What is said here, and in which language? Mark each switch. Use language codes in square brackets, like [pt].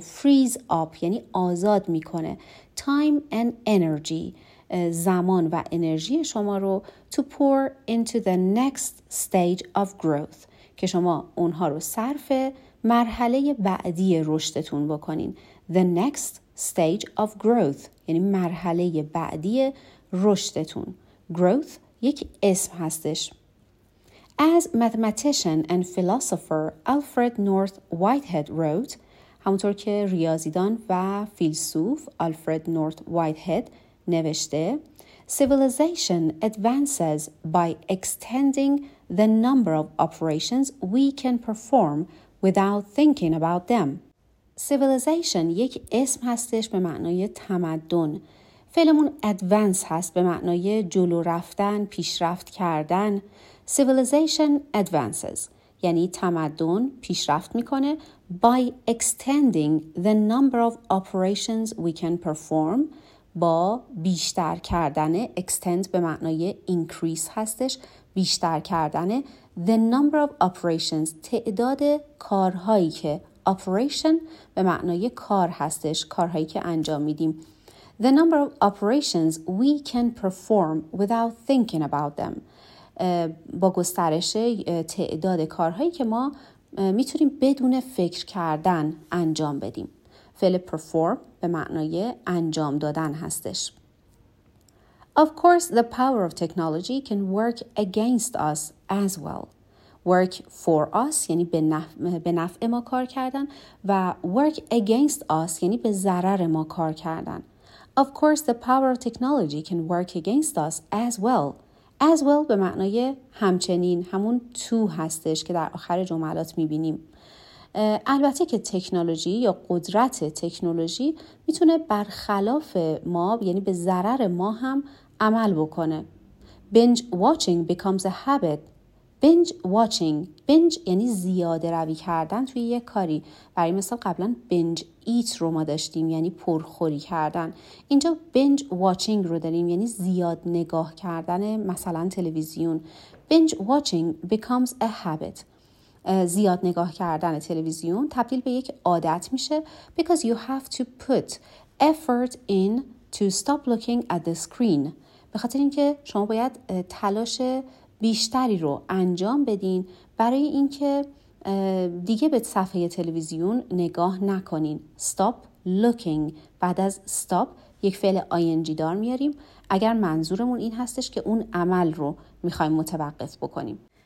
[en] freeze up [fa] یعنی آزاد میکنه. [en] time and energy, [fa] زمان و انرژی شما رو، [en] to pour into the next stage of growth, [fa] که شما اونها رو صرف مرحله بعدی رشدتون بکنین. [en] The next stage of growth یعنی مرحله بعدی رشدتون. [fa] Growth یک اسم هستش. [en] As mathematician and philosopher Alfred North Whitehead wrote، [fa] همونطور که ریاضیدان و فیلسوف Alfred North Whitehead نوشته، [en] Civilization advances by extending the number of operations we can perform without thinking about them. [fa] Civilization یک اسم هستش به معنای تمدن. فعلمون advance هست به معنای جلو رفتن، پیشرفت کردن. Civilization advances یعنی تمدن پیشرفت میکنه. [en] By extending the number of operations we can perform، [fa] با بیشتر کردن. Extend به معنای increase هستش، بیشتر کردن. The number of operations، تعداد کارهایی که، operation به معنای کار هستش، کارهایی که انجام میدیم. [en] The number of operations we can perform without thinking about them، [fa] با گسترش تعداد کارهایی که ما میتونیم بدون فکر کردن انجام بدیم. فعل perform به معنای انجام دادن هستش. [en] Of course, the power of technology can work against us as well. work for us [fa] یعنی به نفع ما کار کردن و [en] work against us [fa] یعنی به ضرر ما کار کردن. [en] Of course, the power of technology can work against us as well. [fa] As well به معنای همچنین همون to هستش که در آخر جملات میبینیم. البته که تکنولوژی یا قدرت تکنولوژی میتونه برخلاف ما یعنی به ضرر ما هم عمل بکنه. [en] Binge watching becomes a habit. Binge watching. [fa] Binge یعنی زیاده روی کردن توی یه کاری. برای مثال قبلا binge eat رو ما داشتیم یعنی پرخوری کردن. اینجا binge watching رو داریم یعنی زیاد نگاه کردن مثلا تلویزیون. [en] Binge watching becomes a habit. [fa] زیاد نگاه کردن تلویزیون تبدیل به یک عادت میشه [en] because you have to put effort in to stop looking at the screen. [fa] به خاطر اینکه شما باید تلاش بیشتری رو انجام بدین برای اینکه دیگه به صفحه تلویزیون نگاه نکنین. [en] Stop looking. [fa] بعد از stop یک فعل ing دار میاریم اگر منظورمون این هستش که اون عمل رو میخوایم متوقف بکنیم.